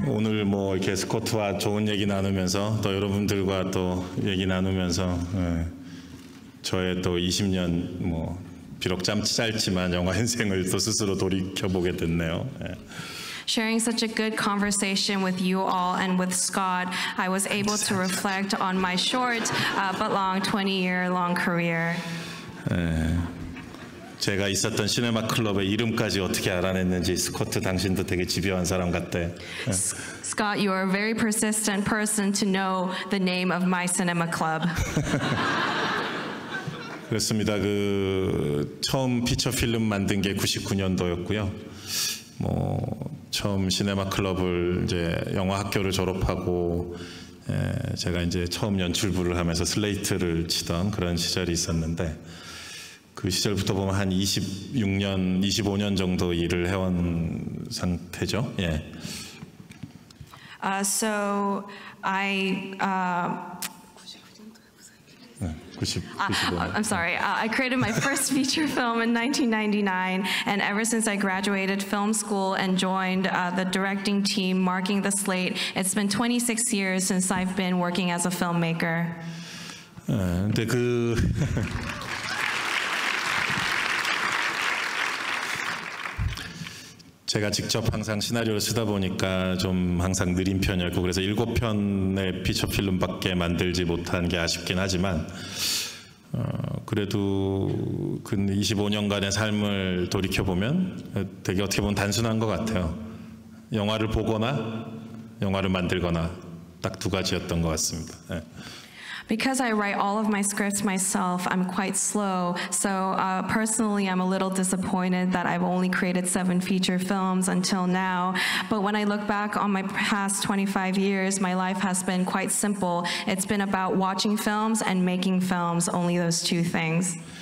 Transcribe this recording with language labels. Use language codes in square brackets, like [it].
[ko] 오늘 뭐 이렇게 스코트와 좋은 얘기 나누면서 또 여러분들과 또 얘기 나누면서 저의 또 20년 뭐 비록 짧지만 영화 인생을 또 스스로 돌이켜 보게 됐네요. [en] Sharing such a good conversation with you all and with Scott, I was able to reflect on my short but long 20-year-long career. [ko] 제가 있었던 시네마 클럽의 이름까지 어떻게 알아냈는지 스코트 당신도 되게 집요한 사람 같대. [en] Scott, you are a very persistent person to know the name of my cinema club. [ko] 그렇습니다. 그 처음 피처 필름 만든 게 99년도였고요. 뭐 처음 시네마 클럽을 이제 영화 학교를 졸업하고 제가 이제 처음 연출부를 하면서 슬레이트를 치던 그런 시절이 있었는데 그 시절부터 보면 한 26년, 25년 정도 일을 해온 상태죠. 예. [en] So I 90, I'm sorry. I created my first feature film in 1999, and ever since I graduated film school and joined the directing team marking the slate, it's been 26 years since I've been working as a filmmaker. [ko] 근데 그 제가 직접 항상 시나리오를 쓰다 보니까 좀 항상 느린 편이었고 그래서 7편의 피처 필름밖에 만들지 못한 게 아쉽긴 하지만 그래도 그 25년간의 삶을 돌이켜보면 되게 어떻게 보면 단순한 것 같아요. 영화를 보거나 영화를 만들거나 딱 두 가지였던 것 같습니다. 네. [en] Because I write all of my scripts myself, I'm quite slow. So personally, I'm a little disappointed that I've only created 7 feature films until now. But when I look back on my past 25 years, my life has been quite simple. It's been about watching films and making films, only those two things.